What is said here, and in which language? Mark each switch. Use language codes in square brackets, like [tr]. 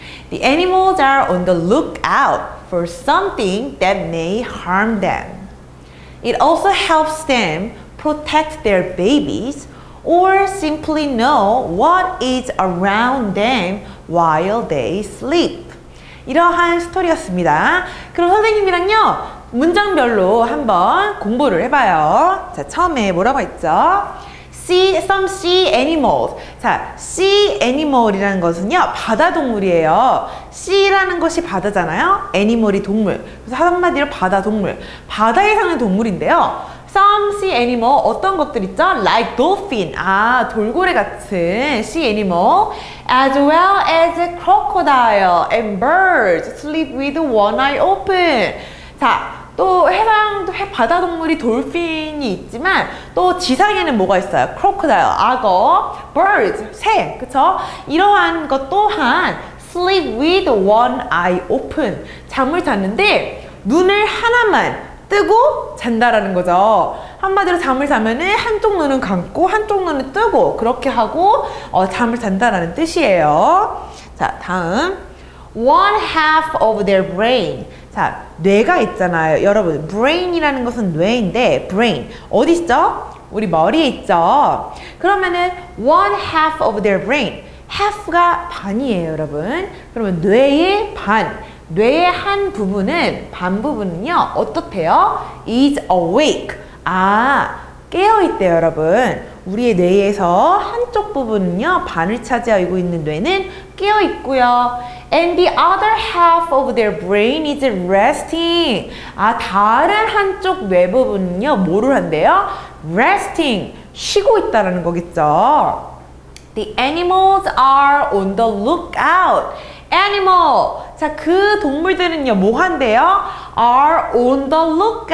[en] The animals are on the lookout for something that may harm them. It also helps them protect their babies, or simply know what is around them while they sleep. [ko] 이러한 스토리였습니다. 그럼 선생님이랑요, 문장별로 한번 공부를 해봐요. 자, 처음에 뭐라고 했죠? [en] Some sea animals. [ko] 자, sea animal이라는 것은요, 바다 동물이에요. sea라는 것이 바다잖아요. animal이 동물. 그래서 한마디로 바다 동물. 바다에 사는 동물인데요. [en] Some sea animal, [ko] 어떤 것들 있죠? [en] Like dolphin, [ko] 아, 돌고래 같은 [en] sea animal. As well as a crocodile and birds sleep with one eye open. [ko] 자, 또 해당 바다 동물이 돌핀이 있지만 또 지상에는 뭐가 있어요? Crocodile, 악어, birds, 새, 그쵸? 이러한 것 또한 [en] sleep with one eye open, [ko] 잠을 잤는데 눈을 하나만 뜨고 잔다라는 거죠. 한마디로 잠을 자면은 한쪽 눈은 감고 한쪽 눈은 뜨고 그렇게 하고 잠을 잔다라는 뜻이에요. 자, 다음 [en] one half of their brain. [ko] 자, 뇌가 있잖아요 여러분. brain이라는 것은 뇌인데 brain 어디 있죠? 우리 머리에 있죠. 그러면은 [en] one half of their brain, [ko] half가 반이에요 여러분. 그러면 뇌의 반, 뇌의 한 부분은, 반 부분은요, 어떻대요? [en] is awake. [ko] 아, 깨어있대요, 여러분. 우리의 뇌에서 한쪽 부분은요, 반을 차지하고 있는 뇌는 깨어있고요. [en] And the other half of their brain is resting. [ko] 아, 다른 한쪽 뇌 부분은요, 뭐를 한대요? resting. 쉬고 있다라는 거겠죠. [en] The animals are on the lookout. Animal. [ko] 자, 그 동물들은요, 뭐 한대요? [en] Are on the lookout.